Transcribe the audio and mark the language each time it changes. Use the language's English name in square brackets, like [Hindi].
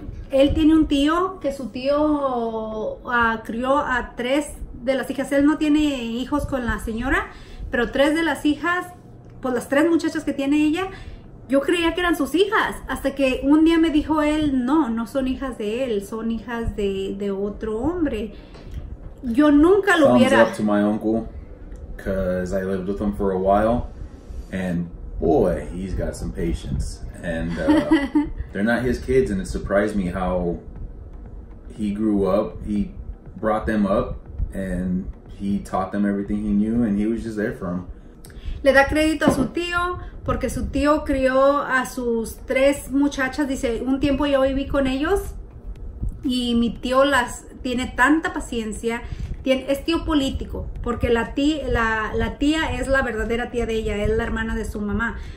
[Spanish] Él tiene un tío, que su tío crió a tres de las hijas. Él no tiene hijos con la señora, pero tres de las hijas, pues las tres muchachas que tiene ella, yo creía que eran sus hijas, hasta que un día me dijo él, no son hijas de él, son hijas de otro hombre. Yo nunca lo hubiera. [English] Thumbs up to my uncle, because I lived with him for a while, and boy, he's got some patience. And they're not his kids, and it surprised me how he grew up, he brought them up, and he taught them everything he knew, and he was just there for them. [Spanish] Le da crédito a su tío, porque su tío crió a sus tres muchachas. Dice, un tiempo yo viví con ellos y mi tío las tiene tanta paciencia. Es tío político, porque la tía es la verdadera tía de ella, es la hermana de su mamá.